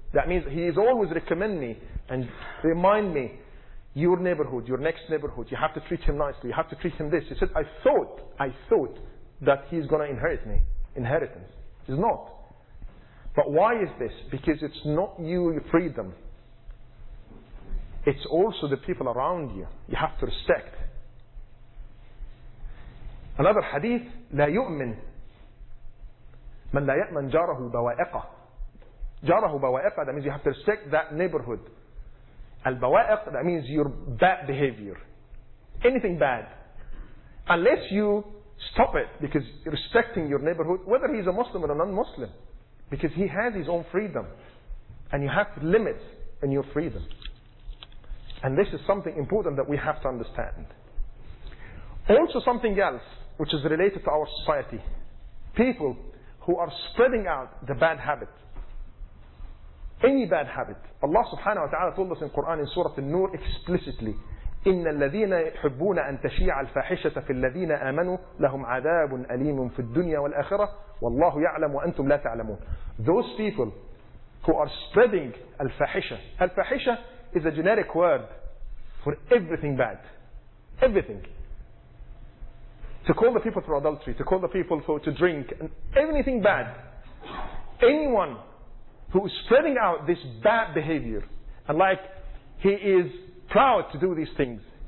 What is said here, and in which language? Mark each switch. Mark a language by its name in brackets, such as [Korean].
[English] That means he is always recommend me and remind me, your neighborhood, your next neighborhood, you have to treat him nicely, you have to treat him this. He said, I thought that he's going to inherit me, inheritance. He's not. But why is this? Because it's not you, your freedom. It's also the people around you. You have to respect. Another hadith, [Arabic] لا يؤمن من لا يأمن جاره بوائقة. جاره بوائقة, [English] that means you have to respect that neighborhood. البوائق, that means your bad behavior. Anything bad. Unless you stop it, because respecting your neighborhood, whether he's a Muslim or a non-Muslim, because he has his own freedom. And you have limits in your freedom. And this is something important that we have to understand. Also something else, which is related to our society. People who are spreading out the bad habit. Any bad habit. Allah subhanahu wa ta'ala told us in Quran in Surah An-Nur explicitly, [Arabic] إِنَّ الَّذِينَ يُحِبُّونَ أَن تَشِيعَ الْفَاحِشَةَ فِي الَّذِينَ آمَنُوا لَهُمْ عَذَابٌ أَلِيمٌ فِي الدُّنْيَا وَالْآخِرَةِ وَاللَّهُ يَعْلَمُ وَأَنْتُمْ لَا تَعْلَمُونَ. [English] Those people who are spreading al-fahisha. Al-fahisha is a generic word for everything bad. Everything. To call the people for adultery, to call the people for to drink, and anything bad. Anyone who is spreading out this bad behavior, and like he is proud to do these things.